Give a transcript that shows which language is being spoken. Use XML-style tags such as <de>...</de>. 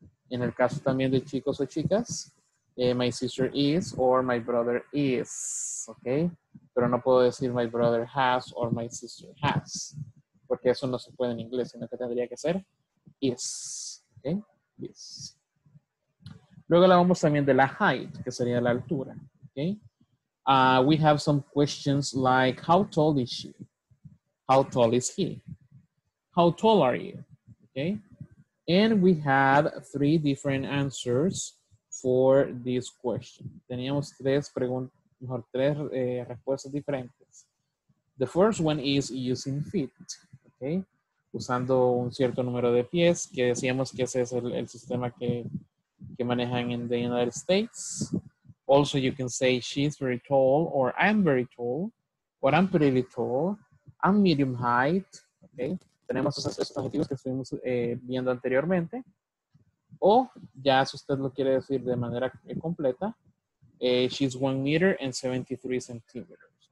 <es>En el caso también de chicos o chicas,</es> <en>my sister is or my brother is.</en> <es>Okay. Pero no puedo decir</es> <en>my brother has or my sister has.</en> <es>Porque eso no se puede en inglés, sino que tendría que ser is. Okay? Yes. Luego hablamos también de la height, que sería la altura. Okay?</es> <en>We have some questions like, how tall is she? How tall is he? How tall are you? Okay? And we have three different answers for this question.</en> <es>Teníamos tres preguntas. Mejor tres respuestas diferentes.</es> <en>The first one is using feet, okay?</en> <es>Usando un cierto número de pies, que decíamos que ese es el sistema que que manejan</es> <en>in the United States. Also, you can say she's very tall, or I'm very tall, or I'm pretty tall, I'm medium height.</en> <es>Okay. Tenemos esos adjetivos que estuvimos viendo anteriormente. O ya si usted lo quiere decir de manera completa,</es> <en>she's 1 meter and 73 centimeters.</en>